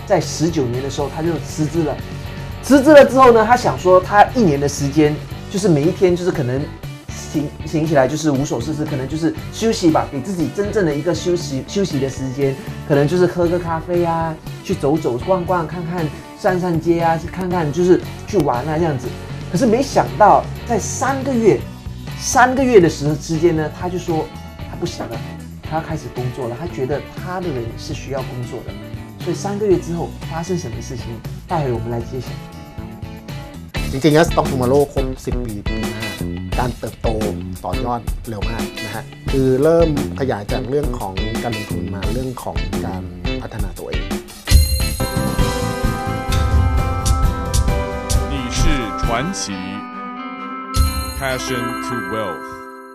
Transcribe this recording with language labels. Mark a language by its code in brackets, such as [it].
[zh] 在19年的时候，他就辞职了。辞职了之后呢，他想说他一年的时间，就是每一天就是可能醒起来就是无所事事，可能就是休息吧，给自己真正的一个休息的时间，可能就是喝个咖啡啊，去走走逛逛，看看上上街啊，去看看就是去玩啊这样子。可是没想到在三个月的时间呢，他就说他不行了，他要开始工作了，他觉得他的人是需要工作的。所以3个月之后发生什么事情，待会我们来揭晓。 [th] จริงๆแล้วสต็อกทูมาโร่ครบ10 ปีนะฮะการเติบโตต่อยอดเร็วมากนะฮะคือเริ่มขยายจากเรื่องของการลงทุนมาเรื่องของการพัฒนาตัวเอง [zh] 你是传奇 Passion to Wealth